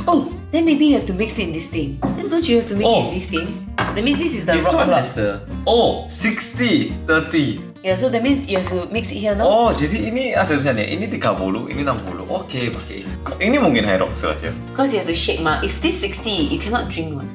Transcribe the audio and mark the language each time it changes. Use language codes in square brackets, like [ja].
[en] Oh, then maybe you have to mix in this thing. Then don't you have to make in this thing? That means this is the rock glass. Oh, 60, 30. Yeah, so that means you have to mix it here, no? [id] Oh, jadi ini ada misalnya, ini 30, ini 60. Okay, pakai. Ini mungkin high rock glass ya. [en] Cause you have to shake ma. If this 60, you cannot drink one.